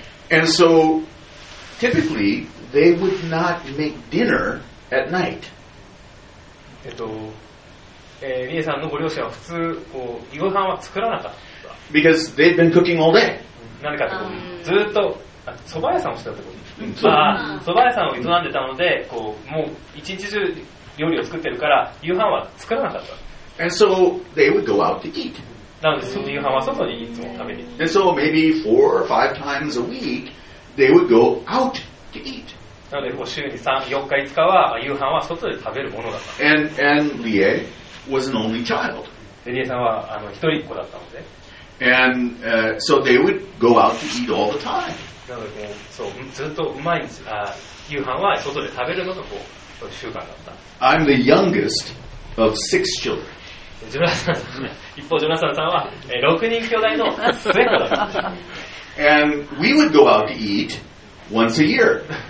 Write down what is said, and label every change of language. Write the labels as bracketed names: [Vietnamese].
[English] And so typically they would not make dinner. At night. [Japanese] リエさんのご両親は普通こう夕飯は作らなかった。 [English] Because they've been cooking all day. [Japanese] 何かってこうずっとそば屋さんをしてたってこと。まあそば屋さんを営んでたのでこうもう一日中料理を作ってるから夕飯は作らなかった。 [English] And so they would go out to eat. [Japanese] なのでその夕飯は外にいつも食べに。 [English] And so maybe four or five times a week they would go out to eat. [Japanese] なのでもう週に3、4日、5日は夕飯は外で食べるものだった。 [English] And Lie was an only child. [Japanese] で、リエさんはあの一人っ子だったので。 [English] And so they would go out to eat all the time. [Japanese] なのでもうそうずっと毎日あ夕飯は外で食べるのがこう習慣だった。 [English] I'm the youngest of six children。 [Japanese] ジョナサンさん、一方ジョナサンさんは6人兄弟の末っ子だった。 [English] And we would go out to eat once a year.